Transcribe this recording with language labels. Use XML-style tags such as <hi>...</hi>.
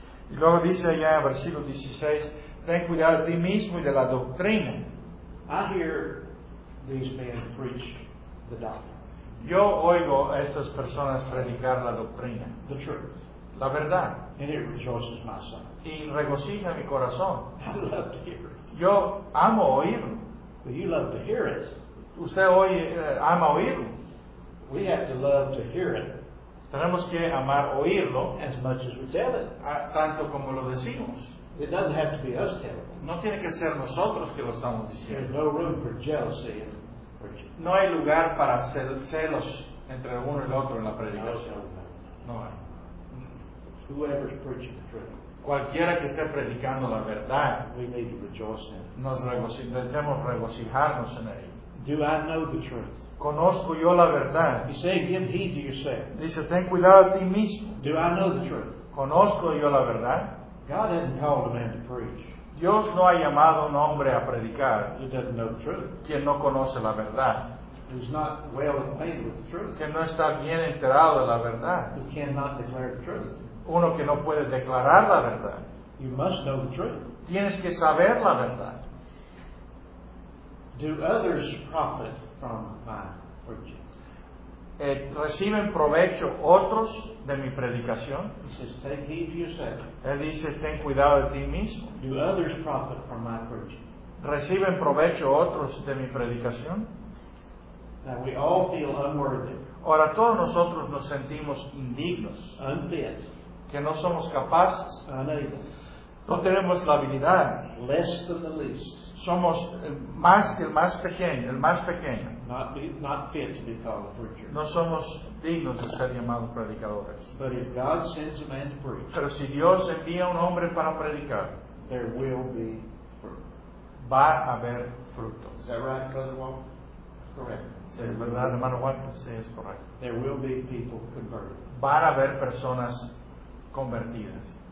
<es>Y luego dice allá en versículo 16, ten cuidado de ti mismo y de la doctrina.</es> <en>I hear these men preach the doctrine.</en> <es>Yo oigo a estas personas predicar la doctrina.</es> <en>The truth.</en> <es>La verdad.</es> <en>And it rejoices my soul.</en> <es>Y regocija mi corazón.</es> <en>I love to hear it.</en> <es>Yo amo oírlo.</es> <en>But you love to hear it.</en> <es>Usted oye, ama oírlo.</es> <en>We have to love to hear it.</en> <es>Tenemos que amar oírlo</es> <en>as much as we tell it.</en> <es>Tanto como lo decimos.</es> <en>It doesn't have to be us telling.</en> <es>No tiene que ser nosotros que lo estamos diciendo.</es> <en>There's no room for jealousy.</en> <es>No hay lugar para celos entre uno y el otro en la predicación. No hay.</es> <en>Whoever's preaching the truth.</en> <es>Cualquiera que esté predicando la verdad.</es> <en>We need to rejoice in it.</en> <es>Debemos regocijarnos en ello.</es> <en>Do I know the truth?</en> <es>Conozco yo la verdad.</es> <en>He said, give heed to yourself.</en> <es>Dice, ten cuidado a ti mismo.</es> <en>Do I know the truth?</en> <es>Conozco yo la verdad.</es> <en>God hasn't called a man to preach.</en> <es>Dios no ha llamado a un hombre a predicar.</es> <en>He doesn't know the truth.</en> <es>Quien no conoce la verdad.</es> <en>Who's not well acquainted with the truth.</en> <es>Quien no está bien enterado de la verdad.</es> <en>Who cannot declare the truth.</en> <es>Uno que no puede declarar la verdad.</es> <en>You must know the truth.</en> <es>Tienes que saber la verdad.</es> <en>Do others profit from my preaching?</en> <es>¿Reciben provecho otros de mi predicación?</es> <en>He says, take heed to yourself.</en> <es>Él dice, ten cuidado de ti mismo.</es> <en>Do others profit from my preaching?</en> <es>¿Reciben provecho otros de mi predicación?</es> <en>Now we all feel unworthy.</en> <es>Ahora todos nosotros nos sentimos indignos.</es> <en>Unfit.</en> <es>Que no somos capaces.</es> <en>Unable.</en> <es>No tenemos la habilidad.</es> <en>Less than the least.</en> <es>Somos más que el más pequeño.</es> <en>not fit to be called a preacher.</en> <es>No somos dignos de ser llamados predicadores.</es> <en>But if God sends a man to preach,</en> <es>pero si Dios envía un hombre para predicar,</es> <en>there will be fruit.</en> <es>Va a haber fruto.</es> <en>Is that right, Brother Walt? Correct.</en> <es>Sí, ¿verdad, hermano Juan? Sí, es correcto.</es> <en>There will be people converted.</en> <es>Va a haber personas convertidas.</es>